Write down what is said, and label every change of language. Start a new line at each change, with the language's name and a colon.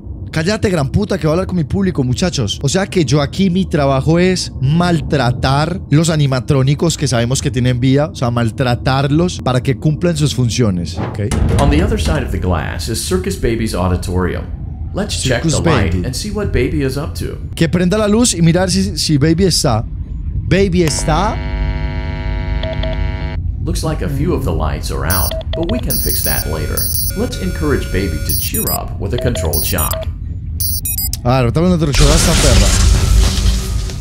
Spanish: Cállate, gran puta, que voy a hablar con mi público, muchachos. O sea que yo aquí, mi trabajo es maltratar los animatrónicos que sabemos que tienen vida. O sea, maltratarlos para que cumplan sus funciones. Okay.
English: On the other side of the glass is Circus Baby's auditorium. Let's check the light and see what Baby is up to.
Spanish: Que prenda la luz y mirar si Baby está. Baby está.
English: Looks like a few of the lights are out, but we can fix that later. Let's encourage Baby to cheer up with a controlled shock.
Spanish: A ver, estamos en otro show, esta perra.